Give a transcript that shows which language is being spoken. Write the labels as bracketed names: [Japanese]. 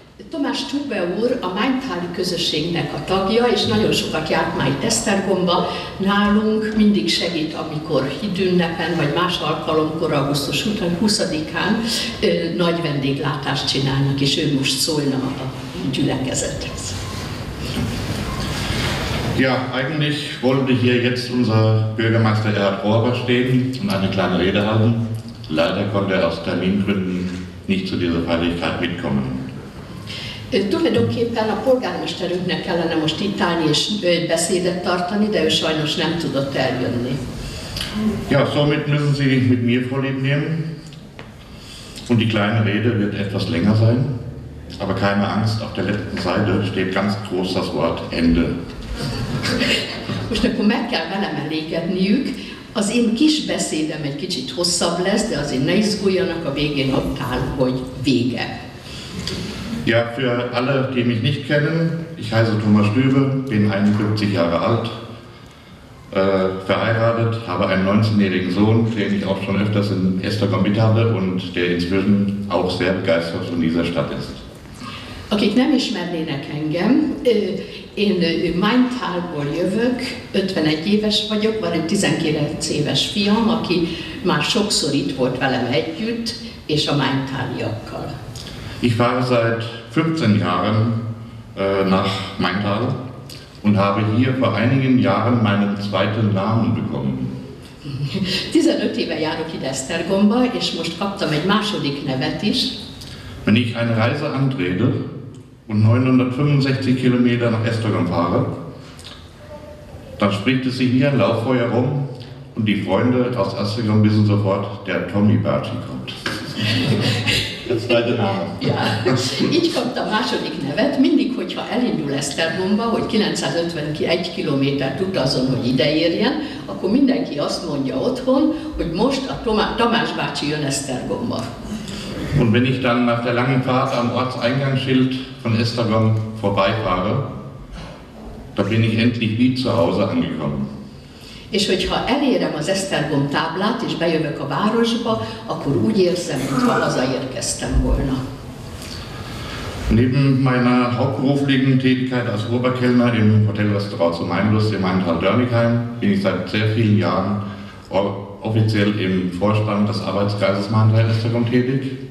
[Hungarian] Tomás Stúve úr a mántáli közösségnek a tagja, és nagyon sokat járt már itt Esztergomba. Nálunk mindig segít, amikor hídünnepen, vagy más alkalomkor, augusztus 20-án nagy vendéglátást csinálnak, és ő most szólna a gyülekezethez. [German] Ja, eigentlich wollte hier jetzt unser Bürgermeister Erhard Rohrer stehen und eine kleine Rede halten. Leider konnte er aus Termingründen nicht zu dieser Feierlichkeit mitkommen. [Hungarian] Tulajdonképpen a polgármesterünknek kellene most itt állni és beszédet tartani, de ő sajnos nem tudott eljönni. [German] Ja, somit müssen Sie mit mir vorlieb nehmen. Und die kleine Rede wird etwas länger sein. Aber keine Angst, auf der letzten Seite steht ganz groß das Wort Ende. [Hungarian] Most akkor meg kell velem elégedniük. Az én kis beszédem egy kicsit hosszabb lesz, de azért ne izguljanak, a végén ott áll, hogy vége. [German] Ja, für alle, die mich nicht kennen, ich heiße Tomás Stúve, bin 51 Jahre alt, verheiratet, habe einen 19-jährigen Sohn, den ich auch schon öfters in Esztergom mit habe und der inzwischen auch sehr begeistert von dieser Stadt ist. [Hungarian] Akik nem ismernének engem, én Maintalból jövök, 51 éves vagyok, van egy 19 éves fiam, aki már sokszor itt volt velem együtt, és a Maintaliakkal. [German] Ich fahre seit 15 Jahren nach Maintal und habe hier vor einigen Jahren meinen zweiten Namen bekommen. [Hungarian] 15 éve járok ide Esztergomba, és most kaptam egy második nevet is. [German] Wenn ich eine Reise antrete und 965 Kilometer nach Esztergom fahre, dann spricht es sich hier ein Lauffeuer rum und die Freunde aus Esztergom wissen sofort, der Tommy Bertschi kommt. [Hungarian] Ez majd a nála. Így kapta a második nevet, mindig, hogyha elindul Esztergomba, hogy 951 kilométert utazom, hogy ideérjen, akkor mindenki azt mondja otthon, hogy most a Tamás bácsi jön Esztergomba. [German] Und wenn ich dann nach der langen Fahrt am Ortseingangsschild von Esztergom vorbeifahre, da bin ich endlich wie zu Hause angekommen. [Hungarian] És hogyha elérem az Esztergom táblát és bejövök a városba, akkor úgy érzem, mintha hazaérkeztem volna. [German] Neben meiner hauptberuflichen Tätigkeit als Oberkellner im Hotel Restaurant zum Mainlust in Maintal-Dörnigheim bin ich seit sehr vielen Jahren offiziell im Vorstand des Arbeitskreises Maintal-Esztergom tätig.